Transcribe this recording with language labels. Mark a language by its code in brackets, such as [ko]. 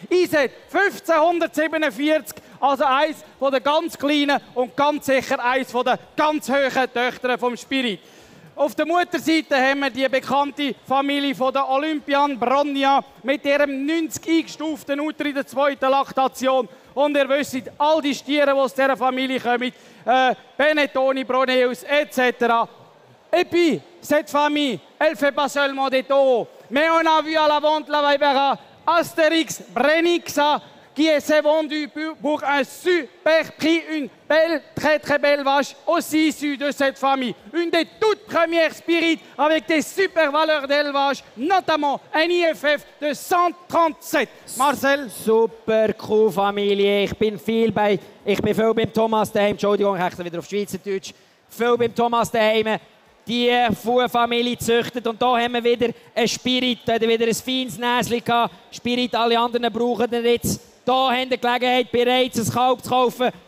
[de] Iset 1547, also eins von den ganz kleinen und ganz sicher eins von den ganz hohen Töchtern vom Spirit. Auf der Mutterseite haben wir die bekannte Familie von der Olympian Bronia mit ihrem 90 eingestuften Uter in der zweiten Laktation. Und ihr wisst, all die Stiere, die aus dieser Familie kommen, Benettoni, Broneus etc. [fr] Et puis, cette famille, elle fait pas seulement des taux. Mais on a vu à la vente la Weibera Asterix Brenixa qui s'est vendu pour un super prix, une belle, très très belle vache, aussi issue de cette famille. Une des toutes premières spirites avec des super valeurs d'élevage, notamment un IFF de 137. Marcel? [de] Super cool, Familie. Ich bin viel beim Thomas daheim. Entschuldigung, ich rechne wieder auf Schweizerdeutsch. Viel beim Thomas daheim. Die Fuhrfamilie züchtet. Und hier haben wir wieder ein Spirit, wieder ein feines Näschen gehabt. Spirit, alle anderen brauchen den jetzt. Hier haben die Gelegenheit, bereits ein Kalb zu kaufen.